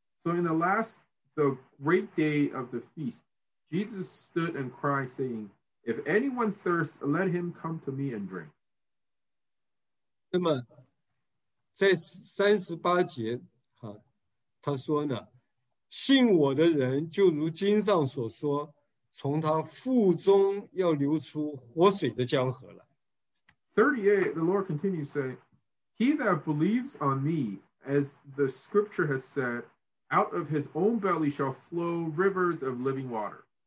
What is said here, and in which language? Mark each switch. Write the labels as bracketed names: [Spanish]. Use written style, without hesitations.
[English] So in the last, the great day of the feast, Jesus stood and cried, saying, If anyone thirsts, let him come to me and drink. [Chinese] 那么在38节，他说呢，信我的人就如经上所说， 从他腹中要流出活水的江河来。38, [English] the Lord continues to say, He that believes on me, as the scripture has said, out of his own belly shall flow rivers of living water.